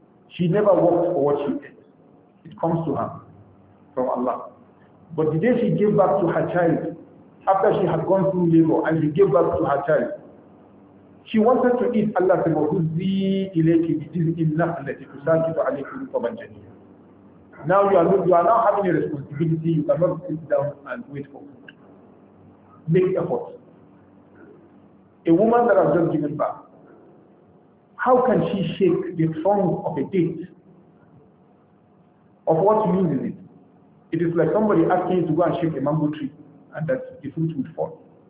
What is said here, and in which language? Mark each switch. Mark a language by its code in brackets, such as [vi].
[en] She never worked for what she ate. It comes to her from Allah. But the day she gave back to her child, after she had gone through labor and she gave back to her child, she wanted to eat. Allah said, [ar] وَهُزِّي إِلَيْكِ بِجِزْءِ النَّخْلَةِ تُسَاقِطُ عَلَيْكِ رُطَبًا جَنِيًّا. [en] Now you are now having a responsibility. You cannot sit down and wait for food. Make effort. A woman that has just given back, how can she shake the trunk of a date? Of what use is it? It is like somebody asking you to go and shake a mango tree and that the fruit would fall.